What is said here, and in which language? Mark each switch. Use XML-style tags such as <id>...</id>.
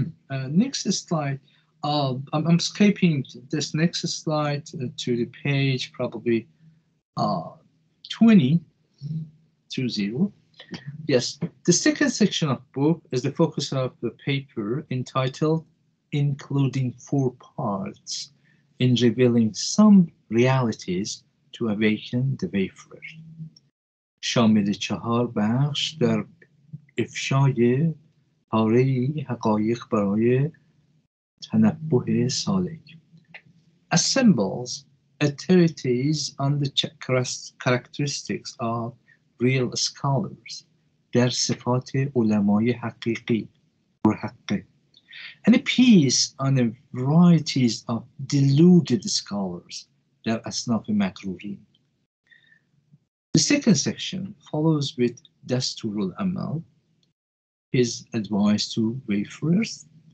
<en>Next slide. I'm skipping this next slide to the page probably 20-0. Yes, the second section of book is the focus of the paper entitled Including Four Parts in Revealing Some Realities to Awaken the Wayfarer.</en> <fa>شامل چهار بخش در افشای پاره حقایق برای تنبه سالک.</fa> <en>Assembles authorities on the characteristics of real scholars.</en> <fa>در صفات علمای حقیقی و حقه.</fa> <en>And a piece on the varieties of deluded scholars.</en> <fa>در اصناف مغرورین.</fa> <en>The second section follows with Dasturul Amal, his advice to wayfarers.</en>